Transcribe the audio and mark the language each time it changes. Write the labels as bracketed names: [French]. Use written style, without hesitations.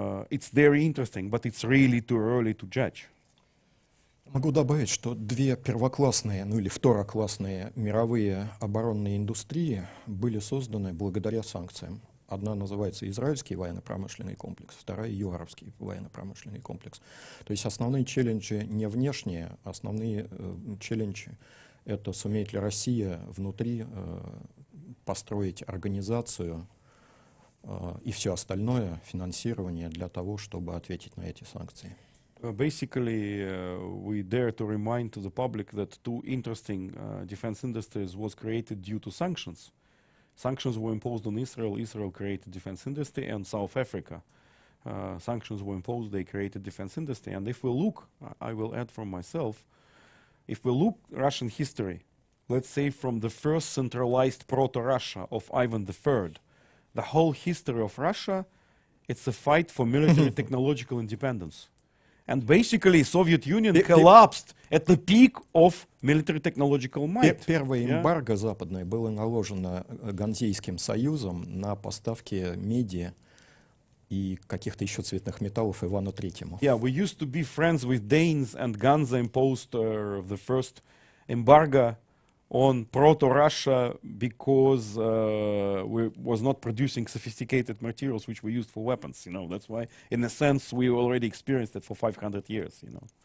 [English] It's very interesting, but it's really too early to judge. [Russian] Могу добавить, что две первоклассные, ну или второклассные мировые оборонные индустрии были созданы благодаря санкциям. Одна называется израильский военно-промышленный комплекс, вторая — юаровский военно-промышленный комплекс. То есть основные челленджи не внешние, основные челленджи — это сумеет ли Россия внутри построить организацию и все остальное, финансирование для того, чтобы ответить на эти санкции. [English] Basically, we dare to remind to the public that two interesting defense industries was created due to sanctions. Sanctions were imposed on Israel. Israel created defense industry, and South Africa. Sanctions were imposed. They created defense industry. And if we look, I will add from myself, if we look Russian history, let's say from the first centralized proto-Russia of Ivan III, the whole history of Russia, it's a fight for military technological independence. And basically, Soviet Union collapsed at the peak of military technological might. [Russian] Первое эмбарго западное было наложено Ганзейским союзом на поставки меди и каких-то еще цветных металлов Ивану Третьему. [English] Yeah, we used to be friends with Danes, and Ganza imposed the first embargo on proto-Russia because we was not producing sophisticated materials which we used for weapons, you know. That's why, in a sense, we already experienced it for 500 years, you know.